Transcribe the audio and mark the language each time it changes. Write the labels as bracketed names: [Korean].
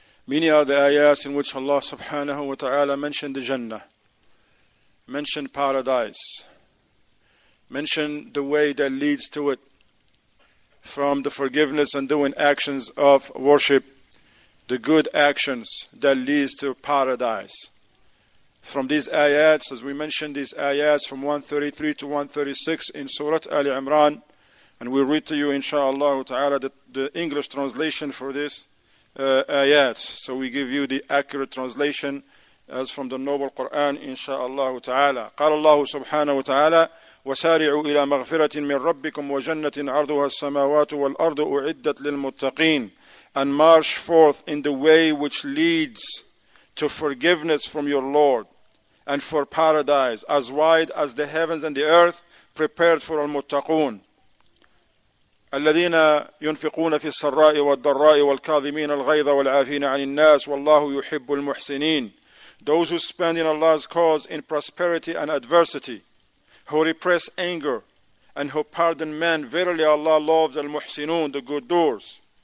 [English] Many are the ayats in which Allah subhanahu wa ta'ala mentioned the Jannah, mentioned paradise, mentioned the way that leads to it from the forgiveness and doing actions of worship, the good actions that leads to paradise. From these ayats, as we mentioned, these ayats from 133 to 136 in Surah Ali Imran, and we'll read to you, inshallah, the English translation for this ayats. So we give you the accurate translation as from the Noble Quran, inshallah. [Arabic] قال الله سبحانه وتعالى وسارعوا إلى مغفرة من ربكم وجنة عرضها السماوات والأرض أعدت للمتقين [English] and march forth in the way which leads to forgiveness from your Lord. And for paradise, as wide as the heavens and the earth, prepared for al-muttaqoon. [Arabic] الَّذِينَ يُنْفِقُونَ فِي السَّرَّاءِ وَالدَّرَّاءِ وَالْكَاظِمِينَ الْغَيْظَ وَالْعَافِينَ عَنِ النَّاسِ وَاللَّهُ يُحِبُّ الْمُحْسِنِينَ [English] Those who spend in Allah's cause in prosperity and adversity, who repress anger and who pardon men, verily Allah loves al-muhsinun, the good doers.